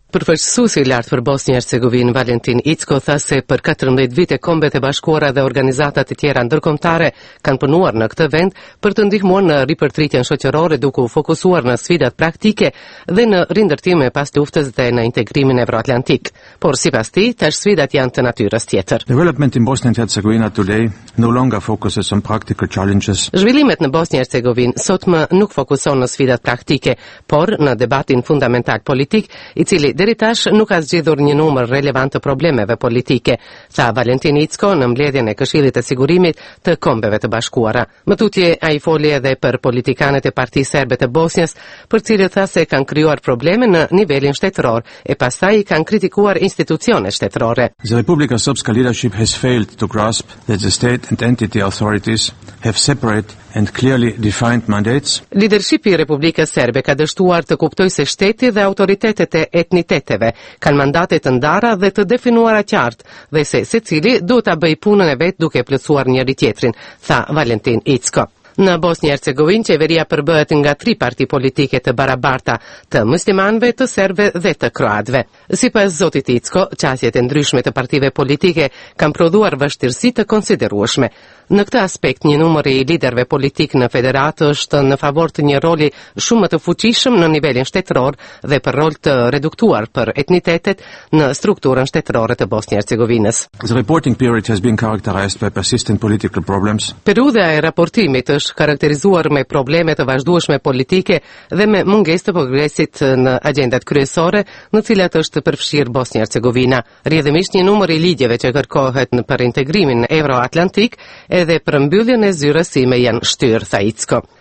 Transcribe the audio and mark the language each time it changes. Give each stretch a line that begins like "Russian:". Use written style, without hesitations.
Albanian: Përfaqësuesi i lartë për Bosnjë-Hercegovinë Valentin Icko tha se për 14 vite Kombet e Bashkuara dhe organizatat e tjera ndërkombëtare kanë punuar në këtë vend për të ndihmuar në ripërtritjen shoqërore duke u fokusuar në sfidat praktike dhe në rindërtim me pas luftës dhe në integrimin euroatlantik. Por sipas tij, tash sfidat janë të natyrës tjetër.
English: Development in Bosnia-Herzegovina today no longer focuses on practical challenges.
Albanian: Zhvillimet në Bosnjë-Hercegovinë sot më nuk fokuson në sfidat praktike, por në debatin fundamental politik, i cili deri tash nuk ka zgjidhur një numër relevant të problemeve politike, tha Valentin Icko në mbledhjen e Këshillit të Sigurimit të Kombeve të Bashkuara. Më tutje ai foli edhe për politikanët e Partisë Serbe të Bosnjës, për cilët tha se kanë krijuar probleme në nivelin shtetëror e pastaj kanë kritikuar institucionet shtetërore.
English: The Republic of Srpska leadership has failed to grasp that the state and entity authorities have separate and clearly defined mandates.
Albanian: Leadershipi i Republikës Serbe ka dështuar të kuptojë se shteti dhe autoritetet e etniteteve kanë mandate të ndara dhe të definuara qartë dhe se secili duhet ta bëjë punën e vet duke plotësuar njëri tjetrin, tha Valentin Icko. Në Bosnjë-Hercegovinë, qeveria përbëhet nga tri parti politike të barabarta, të muslimanve, të serbe dhe të kroatve. Sipas zotit Icko, qasjet e ndryshme të partive politike kanë prodhuar vështirësi të konsiderueshme. Në këtë aspekt, një numër i liderve politik në federatë është në favor të një roli shumë të fuqishëm në nivelin shtetëror dhe për rol të reduktuar për etnitetet në strukturën shtetërore të Bosnjë-Hercegovinës.
English: The reporting period has been characterized by persistent political problems.
Albanian: Periudha e raportimit është karakterizuar me probleme të vazhdueshme politike dhe me mungesë të progresit në agendat kryesore në cilat është përfshirë Bosnjë-Hercegovina. Rrjedhimisht një numër i ligjeve që kërkohet në për integrimin euroatlantik edhe për mbylljen e zyrës sime janë shtyrë, tha Icko.